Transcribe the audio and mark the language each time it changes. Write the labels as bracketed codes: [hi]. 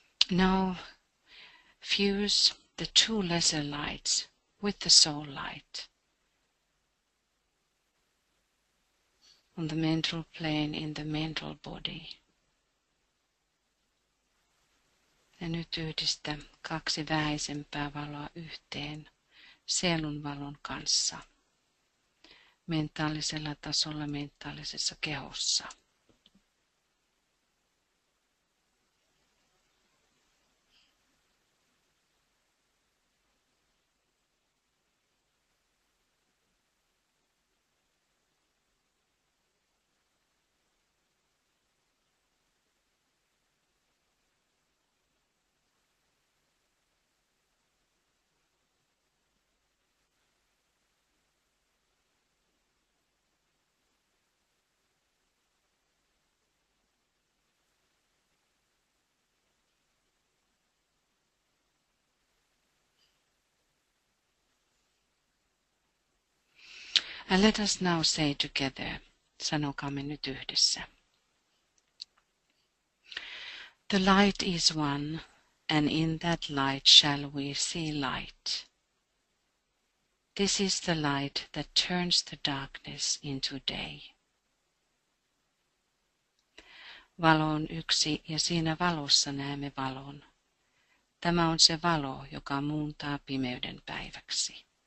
[en] Now fuse the two lesser lights with the soul light. On the mental plane in the mental body. [fi] Ja nyt yhdistä kaksi vähäisempää valoa yhteen sielun valon kanssa. Mentaalisella tasolla mentaalisessa kehossa. [en] And let us now say together, [fi] sanokamme nyt yhdessä. [en] The light is one, and in that light shall we see light. This is the light that turns the darkness into day. [fi] Valo on yksi, ja siinä valossa näemme valon. Tämä on se valo, joka muuntaa pimeyden päiväksi.